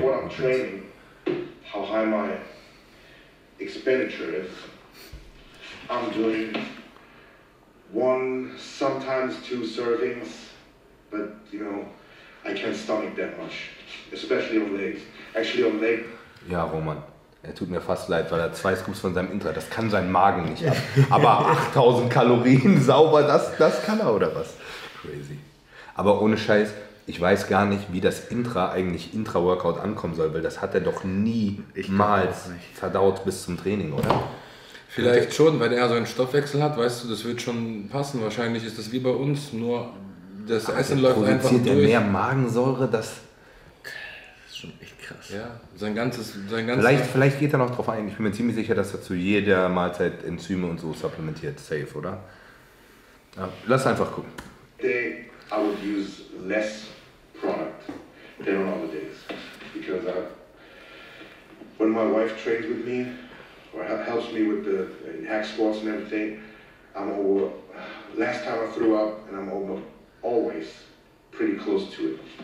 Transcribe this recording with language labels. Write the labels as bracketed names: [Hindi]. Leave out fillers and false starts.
[English] Depending on what I'm training, how high my expenditure is, I'm doing one, sometimes two servings, but, you know, I can't stomach that much. Especially on legs. Actually on leg. [German] Ja, Roman. Er tut mir fast leid, weil er zwei Scoops von seinem Intra, das kann sein Magen nicht ab. Aber 8000 Kalorien sauber, das kann er, oder was? Crazy. Aber ohne Scheiß, ich weiß gar nicht, wie das Intra eigentlich Intra-Workout ankommen soll, weil das hat er doch niemals verdaut bis zum Training, oder? Vielleicht schon, weil er so einen Stoffwechsel hat, weißt du, das wird schon passen. Wahrscheinlich ist das wie bei uns, nur das aber Essen läuft einfach durch. Produziert mehr Magensäure, das... Das ist schon echt krass. Ja, sein ganzes... Sein ganz vielleicht geht er noch drauf ein. Ich bin mir ziemlich sicher, dass er zu jeder Mahlzeit Enzyme und so supplementiert. Safe, oder? Ja, lass einfach gucken. [English] Day, I would use less product than on other days. Because when my wife trains with me, or helps me with the hack squats and everything, I'm over... Last time I threw up, and I'm almost always pretty close to it.